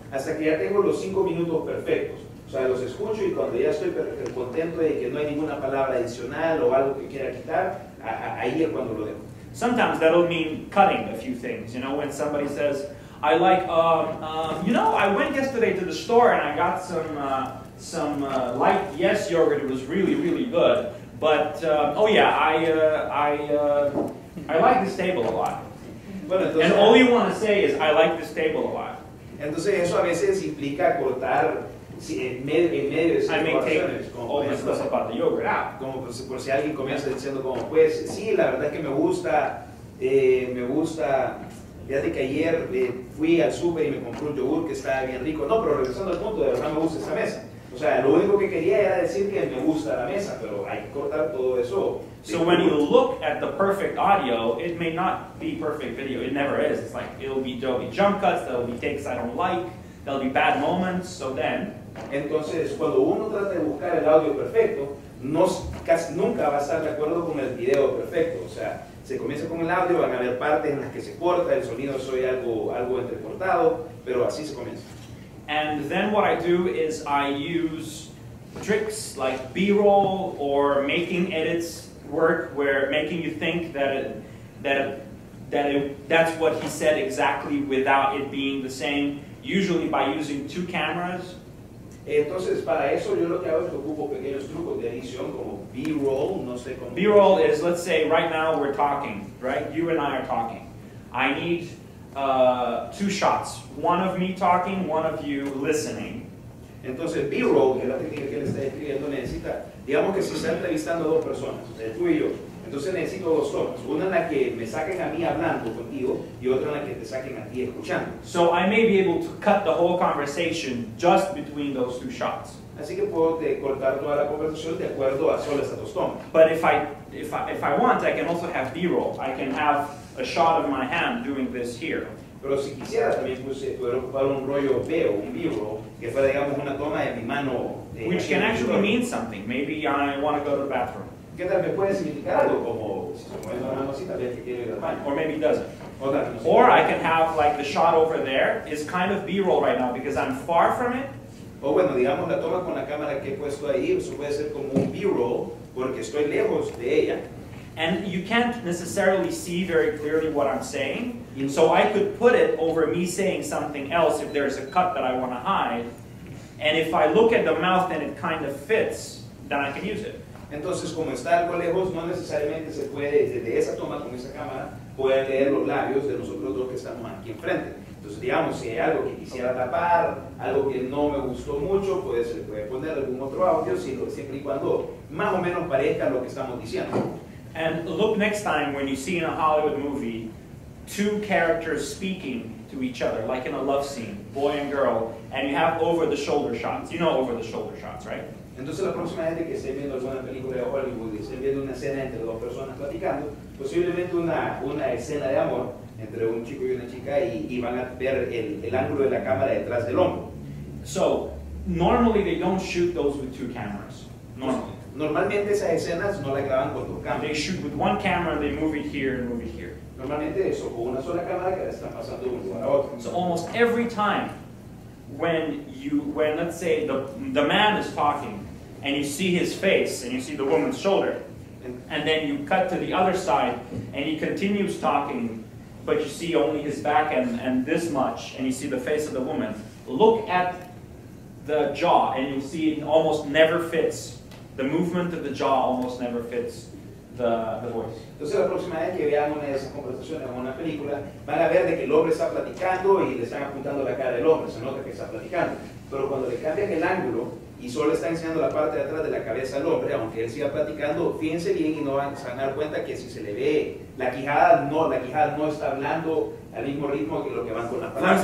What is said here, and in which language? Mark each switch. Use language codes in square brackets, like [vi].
[es] Hasta que ya tengo los 5 minutos perfectos. O sea, los escucho y cuando ya estoy contento de que no hay ninguna palabra adicional o algo que quiera quitar, ahí es cuando lo dejo. [en] Sometimes that'll mean cutting a few things. You know, when somebody says, I like, you know, I went yesterday to the store and I got some light yes yogurt. It was really, really good. But, I like this table a lot. [es] Bueno, entonces, [en] and all you want to say is, I like this table a lot. [es] Entonces, eso a veces implica cortar en medio de esas situaciones. [en] I may take all this stuff about the yogurt out. [es] Como por si alguien comienza diciendo, como, pues, sí, la verdad es que me gusta... Fíjate que ayer fui al súper y me compré un yogur que estaba bien rico. No, pero regresando al punto, de verdad me gusta esa mesa. O sea, lo único que quería era decir que me gusta la mesa, pero hay que cortar todo eso. [en] So when you look at the perfect audio, it may not be perfect video. It never is. It's like, there'll be jump cuts, there'll be takes I don't like, there'll be bad moments, so then... [es] Entonces, cuando uno trata de buscar el audio perfecto, no, casi nunca va a estar de acuerdo con el video perfecto, o sea... Se comienza con el audio, van a haber partes en las que se corta, el sonido soy algo entrecortado, pero así se comienza. [en] And then what I do is I use tricks like B-roll or making edits work where making you think that's what he said exactly without it being the same, usually by using 2 cameras. [es] Entonces, para eso yo lo que hago es que ocupo pequeños trucos de edición como B-roll, no sé cómo... [en] B-roll is, let's say, right now we're talking, right? You and I are talking. I need 2 shots. One of me talking, one of you listening. [es] Entonces, B-roll, que es la técnica que le está escribiendo, necesita... Digamos que se está entrevistando 2 personas, tú y yo. Entonces necesito 2 tomas. Una en la que me saquen a mí hablando contigo y otra en la que te saquen a ti escuchando. [en] So I may be able to cut the whole conversation just between those 2 shots. [es] Así que puedo cortar toda la conversación de acuerdo a solo esas dos tomas. [en] But if I want, I can also have B-roll. I can have a shot of my hand doing this here. [es] Pero si quisiera, también puedo ocupar un rollo B o un B-roll, que fuera, digamos, una toma de mi mano. [en] Which can actually mean something. Maybe I want to go to the bathroom. [es] ¿Qué tal? ¿Me puede significar algo? Como si se mueve una mano así, tal vez que quiere ir al baño. [en] Or maybe it doesn't. Or I can have, like, the shot over there is kind of B-roll right now because I'm far from it. [es] O bueno, digamos, la toma con la cámara que he puesto ahí, eso puede ser como un B-roll porque estoy lejos de ella. [en] And you can't necessarily see very clearly what I'm saying. So I could put it over me saying something else if there's a cut that I want to hide. And if I look at the mouth and it kind of fits, then I can use it. [es] Entonces, como está algo lejos, no necesariamente se puede desde esa toma con esa cámara poder leer los labios de nosotros dos que estamos aquí enfrente. Entonces, digamos, si hay algo que quisiera tapar, algo que no me gustó mucho, pues se puede poner algún otro audio, sino siempre y cuando más o menos parezca lo que estamos diciendo. [en] And look next time when you see in a Hollywood movie two characters speaking to each other, like in a love scene, boy and girl, and you have over-the-shoulder shots. You know over-the-shoulder shots, right? [es] Entonces, la próxima vez que estén viendo alguna película de Hollywood y estén viendo una escena entre dos personas platicando, posiblemente una escena de amor entre un chico y una chica, y van a ver el ángulo de la cámara detrás del hombro. [en] So, normally they don't shoot those with two cameras. [es] Normalmente esas escenas no las graban con dos cámaras. [en] They shoot with one camera, they move it here and move it here. [es] Normalmente eso, con una sola cámara que la están pasando de un lugar a otro. [en] So, almost every time when let's say the man is talking and you see his face and you see the woman's shoulder and then you cut to the other side and he continues talking but you see only his back and this much and you see the face of the woman, look at the jaw and you'll see it almost never fits. The movement of the jaw almost never fits the voice. [es] Entonces la próxima vez que vean una de esas conversaciones en una película, van a ver de que el hombre está platicando y le están apuntando la cara del hombre, se nota que está platicando. Pero cuando le cambian el ángulo y solo están enseñando la parte de atrás de la cabeza al hombre, aunque él siga platicando, fíjense bien y no van a dar cuenta que si se le ve la quijada no está hablando al mismo ritmo que lo que van con las palabras.